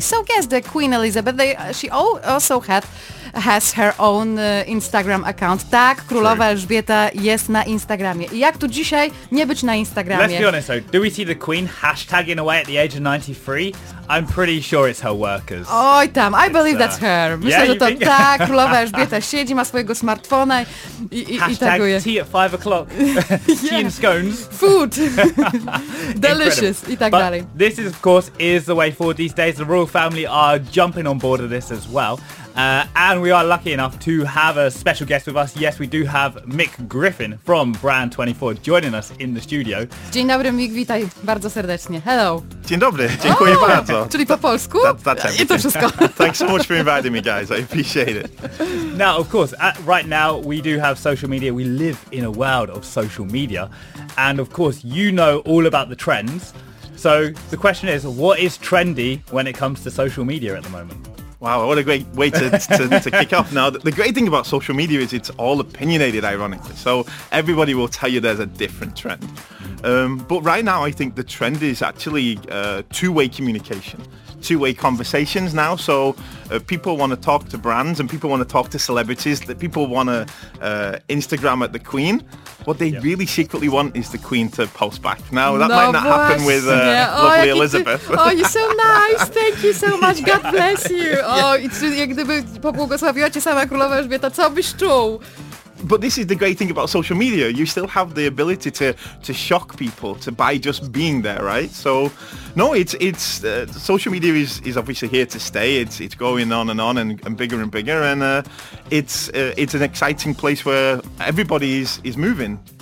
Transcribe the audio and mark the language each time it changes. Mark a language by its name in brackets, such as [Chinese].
[English] So guess the Queen Elizabeth, she also has her own Instagram account. [Polish] Tak, królowa Elżbieta jest na Instagramie. I jak tu dzisiaj nie być na Instagramie? [English] Let's be honest though, do we see the Queen hashtagging away at the age of 93? I'm pretty sure it's her workers. [Polish] Oj tam, [English] I believe that's her. [Polish] Myślę, że to tak, królowa Elżbieta siedzi, ma swojego smartfona i taguje. [English] Hashtag tea at 5 o'clock. Tea and scones. Food. Delicious. [Polish] I tak dalej. [English] But this is, of course, is the way forward these days. The royal family are jumping on board of this as well. And we are lucky enough to have a special guest with us. Yes, we do have Mick Griffin from Brand 24 joining us in the studio. [Polish] Dzień dobry, Mick, witaj bardzo serdecznie. [English] Hello. [Polish] Dzień dobry, dziękuję bardzo. Czyli po polsku? [English] That's [Polish] I to wszystko. [English] Thanks so much for inviting me, guys. I appreciate it. Now, of course, right now we do have social media. We live in a world of social media. And of course, you know all about the trends. So the question is, what is trendy when it comes to social media at the moment? Wow, what a great way to kick off. Now, the great thing about social media is it's all opinionated, ironically. So everybody will tell you there's a different trend. But right now, I think the trend is actually two-way communication, two-way conversations now. So people want to talk to brands and people want to talk to celebrities. That people want to Instagram at the Queen. What they really secretly want is the Queen to post back. Now, that might not happen with lovely Elizabeth. Oh, you're so nice. Thank you so much. God bless you. [Polish] Oh, jak gdyby pobłogosławiacie sama królowa Elżbieta, co byś czuł? [English] But this is the great thing about social media. You still have the ability to shock people to by just being there, right? So, no, it's social media is obviously here to stay. It's going on and bigger and bigger, and it's an exciting place where everybody is moving.